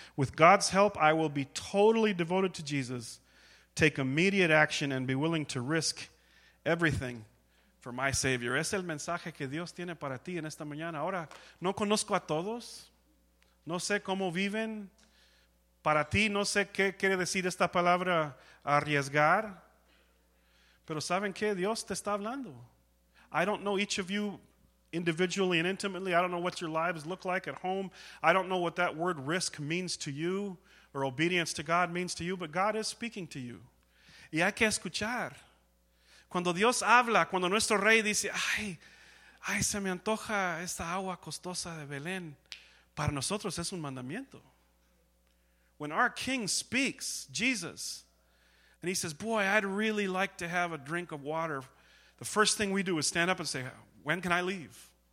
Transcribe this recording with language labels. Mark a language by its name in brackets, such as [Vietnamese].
[English] With God's help, I will be totally devoted to Jesus, take immediate action, and be willing to risk everything for my Savior. [Spanish] Es el mensaje que Dios tiene para ti en esta mañana. Ahora, no conozco a todos. No sé cómo viven. Para ti, no sé qué quiere decir esta palabra, arriesgar. Pero ¿saben qué? Dios te está hablando. [English] I don't know each of you individually and intimately. I don't know what your lives look like at home. I don't know what that word risk means to you or obedience to God means to you. But God is speaking to you. [Spanish] Y hay que escuchar. Cuando Dios habla, cuando nuestro rey dice, ay, se me antoja esta agua costosa de Belén. Para nosotros es un mandamiento. [English] When our King speaks, Jesus, and he says, boy, I'd really like to have a drink of water. The first thing we do is stand up and say, when can I leave?